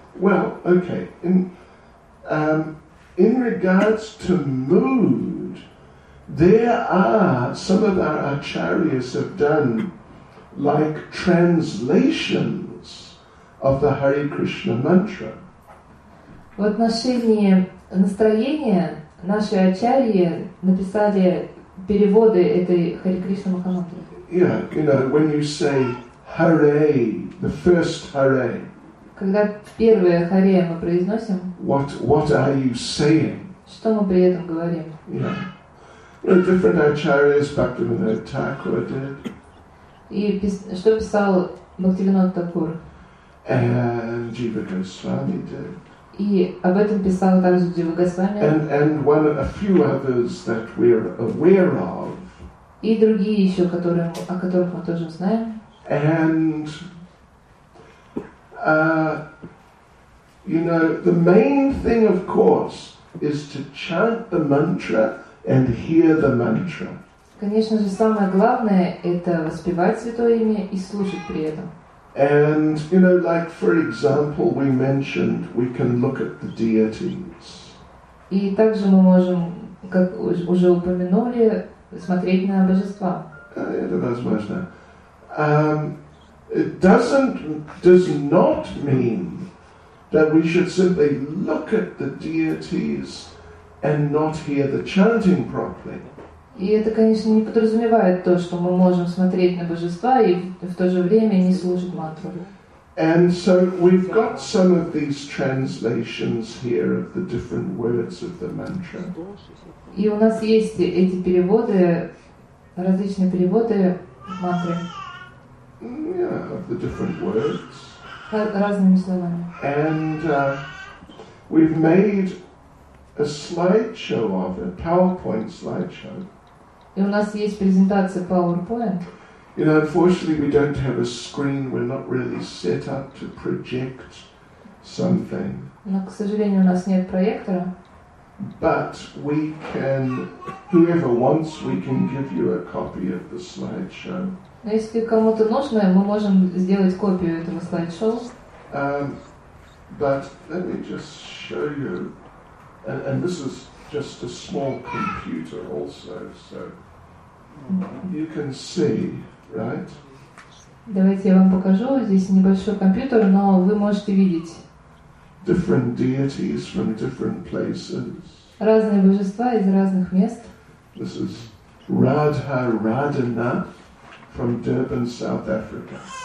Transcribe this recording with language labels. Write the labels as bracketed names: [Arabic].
[English] Well, okay, in regards to mood, there are, some of our acharyas have done, like translations of the Hare Krishna mantra. [Russian] В отношении настроения наши ачарьи написали переводы этой Хари Кришна Махамантры. [English] Yeah, you know, when you say Hare, the first Hare. [Russian] Когда первое Hare мы произносим. [English] What are you saying? [Russian] Что мы при этом говорим? [English] Yeah. You know, different acharyas, Bhaktivinoda Thakura did. [Russian] И что писал Бхактивинода Такур? [English] And Jiva Goswami did. [Russian] И об этом писал также Джива Госвами. [English] And one of a few others that we're aware of. [Russian] И другие еще, о которых мы тоже знаем. [English] And you know, the main thing, of course, is to chant the mantra and hear the mantra. [Russian] Конечно же, самое главное — это воспевать святое имя и слушать при этом. [English] And, you know, like, for example, we mentioned we can look at the deities. [Russian] И также мы можем, как уже упомянули, смотреть на божества. Это возможно. [English] It does not mean that we should simply look at the deities and not hear the chanting properly. [Russian] И это, конечно, не подразумевает то, что мы можем смотреть на божества и в то же время не слушать мантру. [English] And so we've got some of these translations here of the different words of the mantra. [Russian] И у нас есть эти переводы, различные переводы мантры. [English] Yeah, of the different words. [Russian] Разными словами. [English] And we've made a slideshow of it, PowerPoint slideshow. [Russian] И у нас есть презентация PowerPoint. [English] You know, unfortunately, we don't have a screen. We're not really set up to project something. [Russian] Но, к сожалению, у нас нет проектора. [English] But we can, whoever wants, we can give you a copy of the slideshow. [Russian] Но если кому-то нужно, мы можем сделать копию этого слайдшоу. [English] But let me just show you, and this is just a small computer also, so you can see, right? [Russian] Давайте я вам покажу. Здесь небольшой компьютер, но вы можете видеть. [English] Different deities from different places. [Russian] Разные божества из разных мест. [English] This is Radha Radhana from Durban, South Africa.